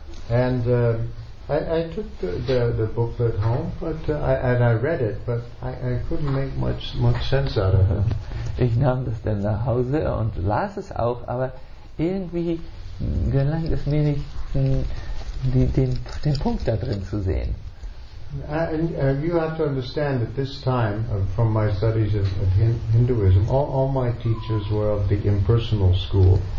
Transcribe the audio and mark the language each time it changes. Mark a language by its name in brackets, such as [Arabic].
[English] And I took the booklet home, but I read it, but I couldn't make much sense out of it. [German] Ich nahm das dann nach Hause und las es auch, aber irgendwie gelang es mir nicht, den Punkt da drin zu sehen. [English] And you have to understand that this time, from my studies of Hinduism, all my teachers were of the impersonal school.